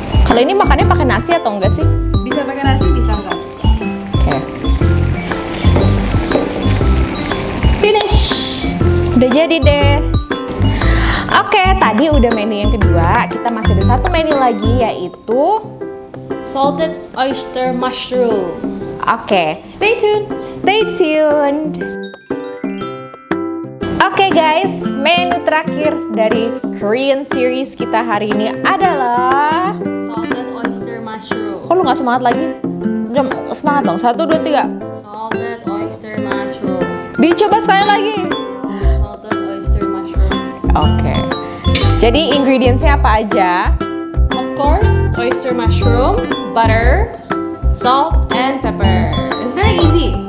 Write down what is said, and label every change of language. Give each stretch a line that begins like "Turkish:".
Indonesian: Kalau ini makannya pakai nasi atau enggak sih? Bisa pakai nasi, bisa enggak. Oke.
English: Finish!
Indonesian: Udah jadi deh. Oke, tadi udah menu yang kedua. Kita masih ada satu menu lagi, yaitu
English: salted oyster mushroom.
Indonesian: Oke,
English: stay tuned. Stay tuned.
Indonesian: Oke, guys, menu terakhir dari Korean series kita hari ini adalah
English: salted oyster mushroom.
Indonesian: Kok lu nggak semangat lagi? Jom semangat dong. 1, 2, 3.
English: Salted oyster mushroom.
Indonesian: Dicoba sekali lagi.
English: Salted oyster mushroom.
Indonesian: Oke. Jadi ingredientsnya apa aja?
English: Of course, oyster mushroom, butter, salt and pepper. It's very easy.